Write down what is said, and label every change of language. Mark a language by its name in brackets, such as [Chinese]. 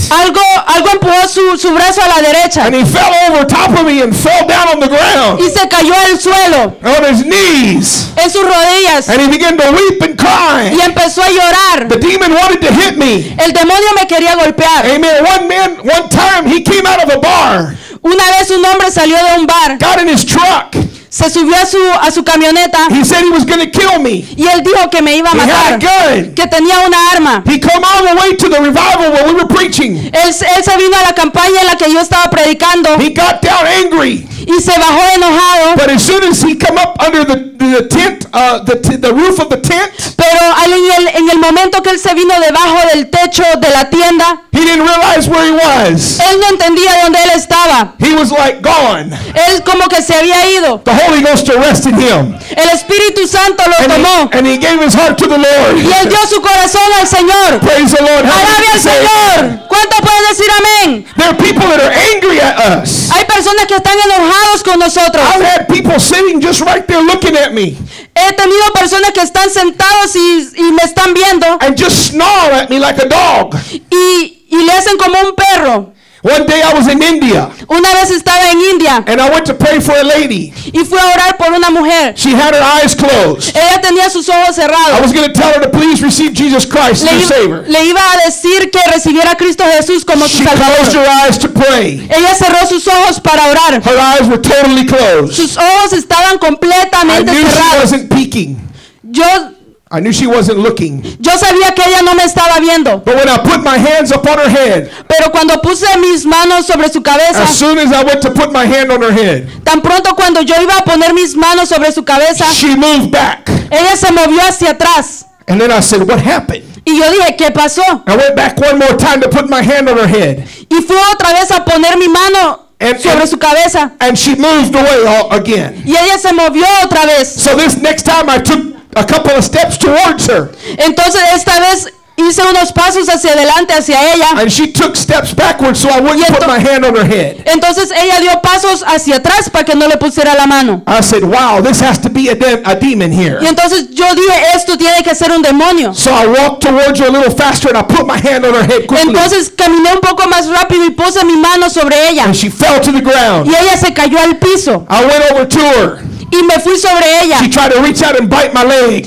[Spanish] Algo empujó su brazo a la derecha. [English] And he fell over top of me and fell down on the ground. [Spanish] Y se cayó al suelo. [English] On his knees. [Spanish] En sus rodillas. [English] And he began to weep and cry. [Spanish] Y empezó a llorar. [English] The demon wanted to hit me. [Spanish] El demonio me quería golpear. [English] Amen. One man, one time, he came out of a bar. [Spanish] Una vez un hombre salió de un bar. [English] Got in his truck. [Spanish] Se subió a su camioneta. [English] He said he was going to kill me. [Spanish] Y él dijo que me iba a matar. [English] He had a gun. [Spanish] Que tenía una arma. [English] He came all the way to the revival where we were preaching. [Spanish] Él se vino a la campaña en la que yo estaba predicando. [English] He got down angry. [Spanish] Y se bajó enojado. [English] But as soon as he came up under the tent, the roof of the tent. [Spanish] Pero en el momento que él se vino debajo del techo de la tienda. [English] He didn't realize where he was. [Spanish] Él no entendía dónde él estaba. [English] He was like gone. [Spanish] Él como que se había ido. [English] The Holy Ghost arrested him. [Spanish] El Espíritu Santo lo tomó. [English] And he gave his heart to the Lord. [Spanish] Y él dio su corazón al Señor. [English] Praise the Lord. [Spanish] Alabe al Señor. ¿Cuánto pueden decir amén? [English] There are people that are angry at us. [Spanish] Hay personas que están enojados con nosotros. [English] I've had people sitting just right there looking at me. [Spanish] He tenido personas que están sentados y me están viendo. [English] And just snarl at me like a dog. [Spanish] Y le hacen como un perro. [English] One day I was in India. [Spanish] Una vez estaba en India. [English] And I went to pray for a lady. [Spanish] Y fui a orar por una mujer. [English] She had her eyes closed. [Spanish] Ella tenía sus ojos cerrados. [English] I was going to tell her to please receive Jesus Christ as your Savior. [Spanish] Le iba a decir que recibiera a Cristo Jesús como su Salvador. [English] She closed her eyes to pray. [Spanish] Ella cerró sus ojos para orar. [English] Her eyes were totally closed. [Spanish] Sus ojos estaban completamente cerrados. [English] I knew she wasn't peeking. I knew she wasn't looking. [Spanish] Yo sabía que ella no me estaba viendo. [English] But when I put my hands upon her head, [Spanish] pero cuando puse mis manos sobre su cabeza, [English] as soon as I went to put my hand on her head, [Spanish] tan pronto cuando yo iba a poner mis manos sobre su cabeza, [English] she moved back. [Spanish] Ella se movió hacia atrás. [English] And then I said, "What happened?" [Spanish] Y yo dije, ¿qué pasó? [English] I went back one more time to put my hand on her head. [Spanish] Y fui otra vez a poner mi mano sobre su cabeza. [English] And she moved away again. [Spanish] Y ella se movió otra vez. [English] So this next time I took a couple of steps towards her. [Spanish] Entonces esta vez hice unos pasos hacia adelante hacia ella. [English] And she took steps backwards so I wouldn't put my hand on her head. [Spanish] Entonces ella dio pasos hacia atrás para que no le pusiera la mano. [English] I said, "Wow, this has to be a demon here." [Spanish] Y entonces yo dije, esto tiene que ser un demonio. [English] So I walked towards her a little faster and I put my hand on her head quickly. [Spanish] Entonces caminé un poco más rápido y puse mi mano sobre ella. [English] And she fell to the ground. [Spanish] Y ella se cayó al piso. [English] I went over to her. [Spanish] Y me fui sobre ella. [English] She tried to reach out and bite my leg.